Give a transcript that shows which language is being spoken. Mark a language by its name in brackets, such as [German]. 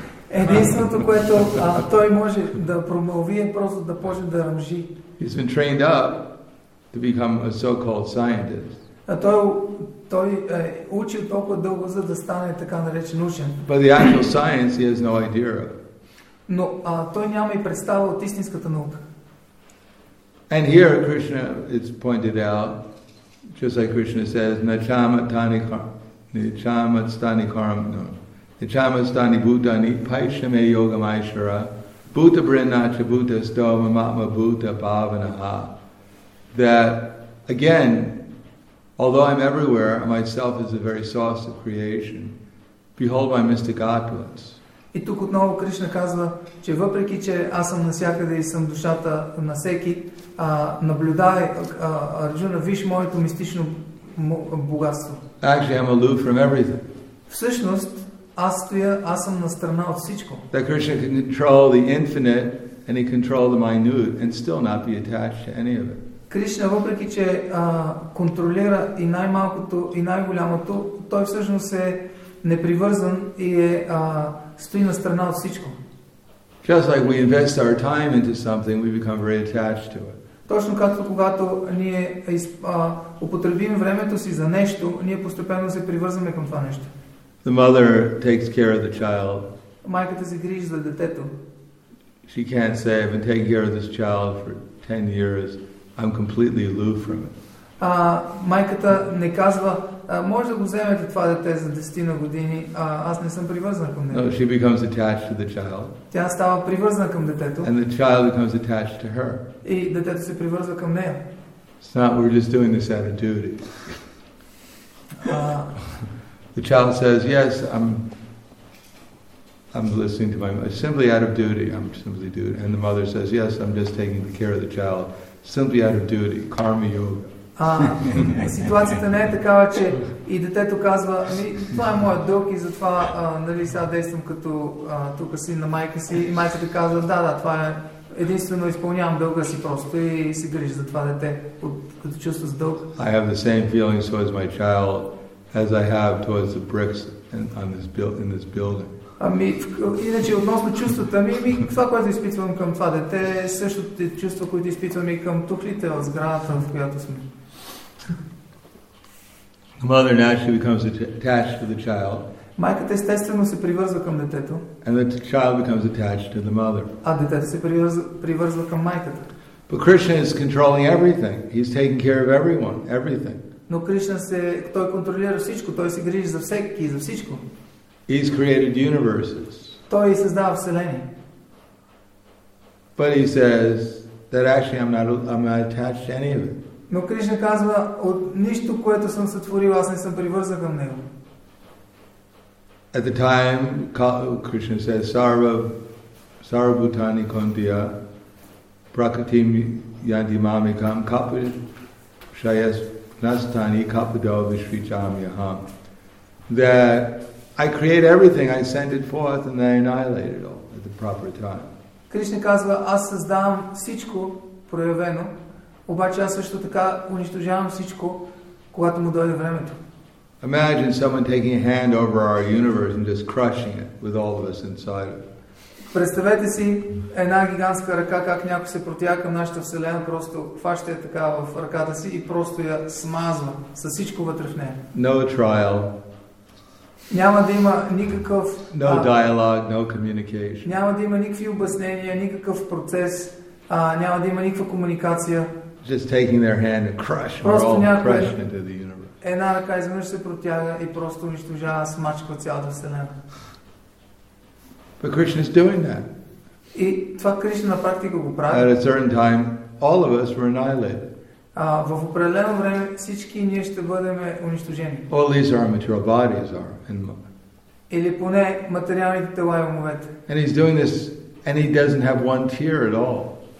[Bulgarian] Единственото, което той може да промълви, е просто да почне да ръмжи. [English] He's been trained up to become a so-called scientist. [Bulgarian] А той е учил толкова дълго, за да стане така наречен учен. [English] But the actual science he has no idea of. [Bulgarian] Но той няма и представа от истинската наука. [English] And here Krishna, it's pointed out, just like Krishna says, [Sanskrit] Nichamastani Bhutani Paishame Yoga Maishara Bhuta Brinacha Bhuta Stoma Matma Bhuta Bhavanaha. [English] That again, although I'm everywhere, myself is the very source of creation. Behold my mystic opulence. [Bulgarian] И тук отново Кришна казва, че въпреки че аз съм навсякъде и съм душата на всеки, наблюдай, Арджуна, виж моето мистично богатство. [English] Actually, I'm aloof from everything. [Bulgarian] Всъщност, аз съм на страна от всичко. [English] That Krishna can control the infinite and he can control the minute and still not be attached to any of it. [Bulgarian] Кришна, въпреки че контролира и най-малкото и най-голямото, той всъщност е непривързан и е стои на страна от всичко. [English] Just like we invest our time into something, we become very attached to it. [Bulgarian] Точно както когато ние употребим времето си за нещо, ние постепенно се привързваме към това нещо. [English] The mother takes care of the child. [Bulgarian] Майката се грижи за детето. [English] She can't say, I've been taking care of this child for 10 years. I'm completely aloof from it. [Bulgarian] Майката не казва, може да го вземете това дете за 10 години, аз не съм привързана към него. [English] No, she becomes attached to the child. [Bulgarian] Тя става привързана към детето. [English] And the child becomes attached to her. [Bulgarian] И детето се привързва към нея. [English] It's not, we're just doing this out of duty. The child says, yes, I'm listening to my mother, simply out of duty, And the mother says, yes, I'm just taking care of the child, simply out of duty, karma yoga. [Bulgarian] Ситуацията не е такава, че и детето казва, това е моят дълг и затова нали сега действам като тук си на майка си. И майката казва, да, това е единствено, изпълнявам дълга си просто и се грижи за това дете, като чувство за дълг. [English] I have the same feeling so as my child. As I have towards the bricks and on this built in this building. [Bulgarian] Ами, иначе относно чувствата ми, това, което изпитвам към това дете, е същото чувство, което изпитвам и към тухлите от сградата, в която сме. [English] The mother naturally becomes attached to the child. [Bulgarian] Майката естествено се привързва към детето. [English] And the child becomes attached to the mother. [Bulgarian] А детето се привързва към майката. [English] But Krishna is controlling everything. He's taking care of everyone, everything. [Bulgarian] Но Кришна се, той контролира всичко, той се грижи за всеки и за всичко. [English] He's created universes. [Bulgarian] Той създава вселени. [English] But he says that actually I'm not attached to any of it. [Bulgarian] Но Кришна казва, от нищо, което съм сътворил, аз не съм привързан към него. [English] At the time, Krishna says, [Sanskrit] Sarvabhutani Kuntiya, Prakritim Yanti Mamekam, Kapi Shayas Nastani, Kapado Vishvichamyaham. [English] That I create everything, I send it forth, and I annihilate it all at the proper time. [Bulgarian] Кришна казва, аз създавам всичко проявено, обаче аз също така унищожавам всичко, когато му дойде времето. [English] Imagine someone taking a hand over our universe and just crushing it with all of us inside of it. [Bulgarian] Представете си една гигантска ръка, как някой се протяга към нашата вселена, просто хваща я така в ръката си и просто я смазва с всичко вътре в нея. [English] No trial. [Bulgarian] Няма да има никакъв... [English] No dialogue, no communication. [Bulgarian] Няма да има никакви обяснения, никакъв процес, няма да има никаква комуникация. [English] Just taking their hand and crush, [Bulgarian] просто [English] we're all crushed into the universe. [Bulgarian] Една ръка изведнъж се протяга и просто унищожава, смачка цялата вселена. [English] But Krishna is doing that. [Bulgarian] И това Кришна на практика го прави. [English] At a certain time, all of us were annihilated. [Bulgarian] В определено време всички ние ще бъдем унищожени. [English] All these are material bodies are in mind. [Bulgarian] Или поне материалните тела и умовете. [English] And he's doing this, and he doesn't have one tear at all.